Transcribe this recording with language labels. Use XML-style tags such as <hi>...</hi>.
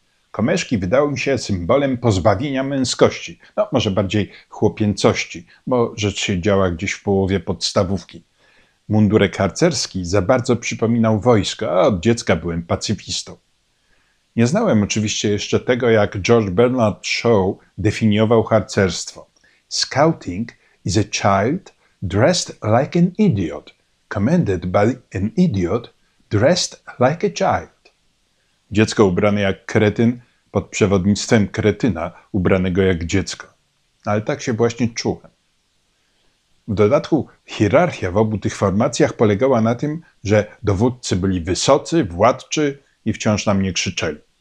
<pl>Komeszki wydały mi się symbolem pozbawienia męskości, no może bardziej chłopięcości, bo rzecz się działa gdzieś w połowie podstawówki. Mundurek harcerski za bardzo przypominał wojsko, a od dziecka byłem pacyfistą. Nie znałem oczywiście jeszcze tego, jak George Bernard Shaw definiował harcerstwo.</pl> <en>Scouting is a child dressed like an idiot, commanded by an idiot dressed like a child.</en> <pl>Dziecko ubrane jak kretyn pod przewodnictwem kretyna ubranego jak dziecko. Ale tak się właśnie czułem. W dodatku hierarchia w obu tych formacjach polegała na tym, że dowódcy byli wysocy, władczy i wciąż na mnie krzyczeli.</pl>